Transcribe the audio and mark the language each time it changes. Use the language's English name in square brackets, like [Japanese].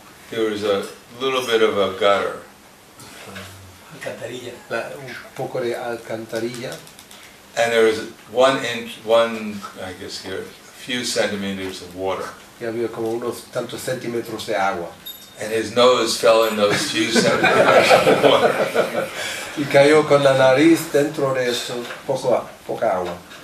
[English] There was a little bit of a gutter. [Spanish] Alcantarilla. Un poco de alcantarilla. [English] And there was a few centimeters of water. [Spanish] Y había como unos tantos centímetros de agua. [English] And his nose fell in those few centimeters of water. [Spanish] Y cayó con la nariz dentro de eso poca agua.